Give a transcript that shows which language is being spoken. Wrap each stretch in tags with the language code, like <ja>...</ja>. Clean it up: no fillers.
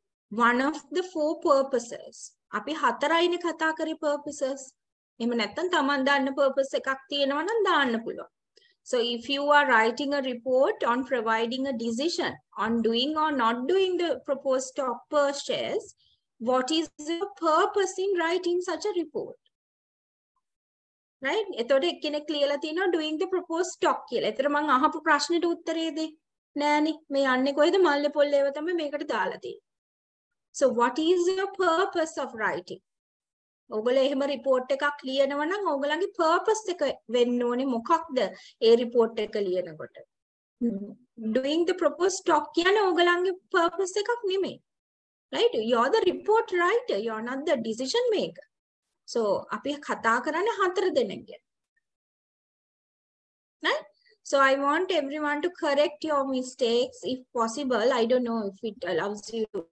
<en>one of the four purposes</en> <si>අපි හතරයිනේ කතා කරේ purposes එහෙම නැත්නම් තමන් දාන්න purpose එකක් තියෙනවා නම් දාන්න පුළුවන්</si> <en>so if you are writing a report on providing a decision on doing or not doing the proposed stock purchase what is the purpose in writing such a report Right?</en> <si>එතකොට එක්කෙනෙක් ලියලා තිනවා</si> <en>doing the proposed stock</en> <si>කියලා. එතකොට මම අහපු ප්‍රශ්නෙට උත්තරේ දෙ. නෑනේ. මේ යන්නේ කොහෙද? මල්ලේ පොල් ඒවා තමයි මේකට දාලා තියෙන්නේ.</si> <en>So what is your purpose of writing?</en> <si>ඔගොල්ලෝ එහෙම report එකක් ලියනවා නම් ඔයගලගේ purpose එක වෙන්න ඕනේ මොකක්ද? ඒ report එක ලියනකොට.</si> <en>Doing the proposed stock</en> <si>කියන්නේ ඔයගලගේ</si> <en>purpose</en> <si>එකක් නෙමෙයි.</si> <en>Right? You are the report writer. You are not the decision maker.</en> <si>So, අපි කතා කරන්නේ හතර දෙනෙක් ගැන.</si> <en>Right? So, I want everyone to correct your mistakes if possible. I don't know if it allows you.</en>